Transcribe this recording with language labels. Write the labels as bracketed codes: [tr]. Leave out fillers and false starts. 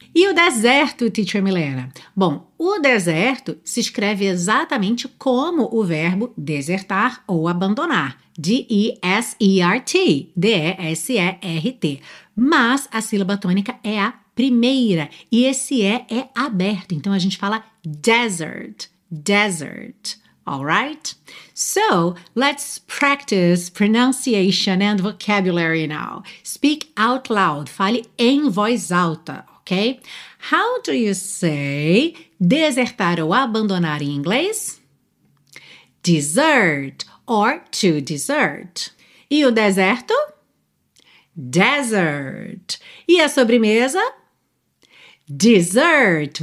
[pt] E o deserto, Teacher Milena? Bom, o deserto se escreve exatamente como o verbo desertar ou abandonar. D-E-S-E-R-T. D-E-S-E-R-T. Mas a sílaba tônica é a primeira e esse é aberto. Então a gente fala desert. [en] Desert. Alright? So, let's practice pronunciation and vocabulary now. Speak out loud. [pt] Fale em voz alta. Ok? [en] How do you say [pt] desertar ou abandonar em inglês? [en] Desert or to desert. [pt] E o deserto? Desert. E a sobremesa? Dessert.